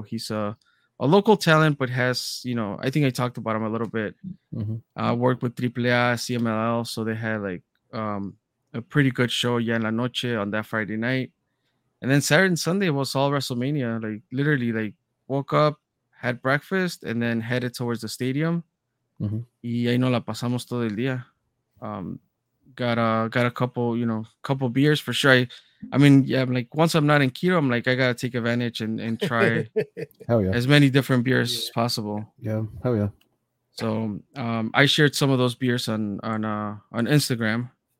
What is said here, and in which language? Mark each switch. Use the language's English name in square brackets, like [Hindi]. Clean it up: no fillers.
[English] He's a local talent, but has, you know, I think I talked about him a little bit. Mm-hmm. Worked with AAA, CMLL. So they had like a pretty good show, Ya en la Noche, on that Friday night. And then Saturday and Sunday was all WrestleMania. Like, literally, like, woke up, had breakfast, and then headed towards the stadium. Mm-hmm. [Spanish] Y ahí no la pasamos todo el día. [English] Got a couple, you know, couple beers for sure. I'm like, once I'm not in keto, I'm like, I gotta take advantage and try hell yeah, as many different beers as possible. Yeah, hell yeah. So I shared some of those beers on Instagram.